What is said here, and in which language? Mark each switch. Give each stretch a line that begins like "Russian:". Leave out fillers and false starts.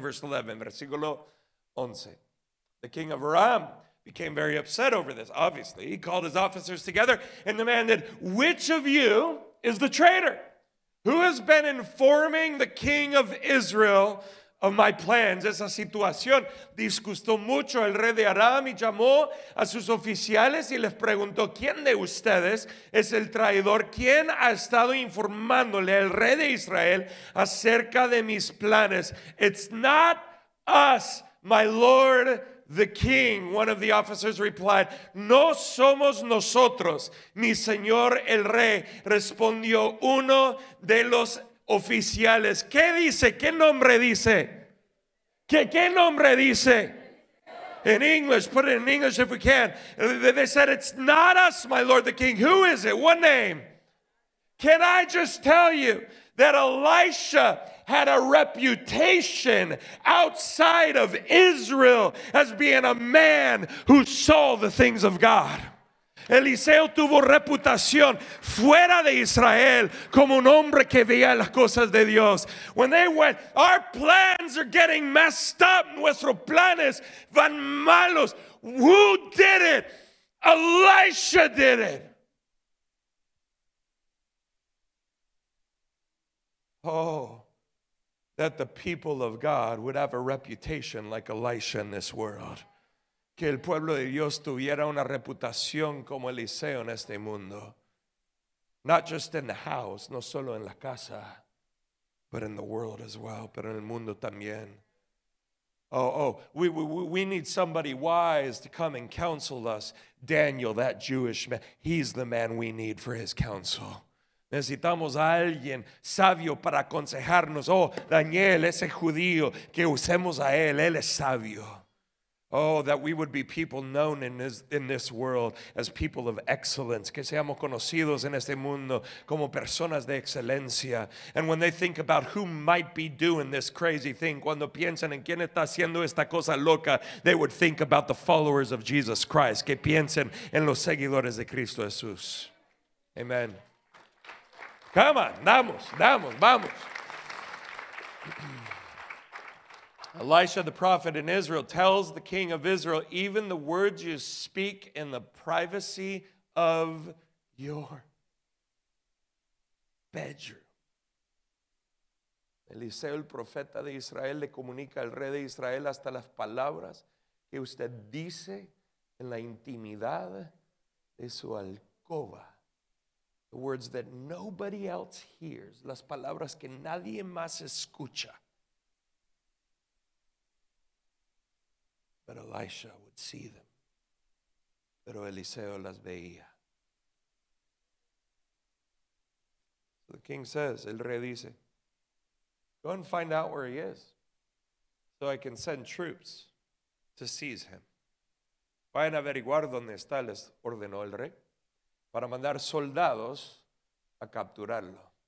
English: Verse 11,
Spanish: versículo 11.
English: The king of Aram became very upset over this, obviously. He called his officers together and demanded, which of you is the traitor? Who has been informing the king of Israel of my plans?
Spanish: Esa situación disgustó mucho al rey de Aram y llamó a sus oficiales y les preguntó, ¿quién de ustedes es el traidor? ¿Quién ha estado informándole al rey de Israel acerca de mis planes?
English: It's not us, my lord the king, one of the officers replied.
Spanish: No somos nosotros, mi señor el rey, respondió uno de los oficiales. ¿Qué dice? ¿Qué nombre dice? ¿Qué nombre dice?
English: In English, put it in English if we can. They said, it's not us, my lord the king. Who is it? What name? Can I just tell you that Elisha had a reputation outside of Israel as being a man who saw the things of God?
Spanish: Eliseo tuvo reputación fuera de Israel como un hombre que veía las cosas de Dios.
English: When they went, our plans are getting messed up.
Spanish: Nuestros planes van malos.
English: Who did it? Elisha did it. Oh, that the people of God would have a reputation like Elisha in this world.
Spanish: Que el pueblo de Dios tuviera una reputación como Eliseo en este mundo.
English: Not just in the house,
Spanish: no solo en la casa,
English: but in the world as well,
Spanish: pero en el mundo también.
English: We need somebody wise to come and counsel us. Daniel, that Jewish man, he's the man we need for his counsel.
Spanish: Necesitamos a alguien sabio para aconsejarnos. Oh, Daniel, ese judío, que usemos a él, él es sabio.
English: Oh, that we would be people known in this world as people of excellence.
Spanish: Que seamos conocidos en este mundo como personas de excelencia.
English: And when they think about who might be doing this crazy thing,
Spanish: cuando piensan en quién está haciendo esta cosa loca,
English: they would think about the followers of Jesus Christ.
Spanish: Que piensen en los seguidores de Cristo Jesús. Amen.
English: Come on,
Spanish: damos, vamos.
English: Elisha the prophet in Israel tells the king of Israel, even the words you speak in the privacy of your bedroom.
Spanish: Eliseo, el profeta de Israel, le comunica al rey de Israel hasta las palabras que usted dice en la intimidad de su alcoba.
English: The words that nobody else hears.
Spanish: Las palabras que nadie más escucha.
English: But Elisha would see them.
Spanish: Pero Eliseo las veía.
English: So the king says,
Spanish: el rey dice,
English: go and find out where he is so I can send troops to seize him.
Spanish: Vayan a averiguar dónde está, les ordenó el rey, para mandar soldados a capturarlo.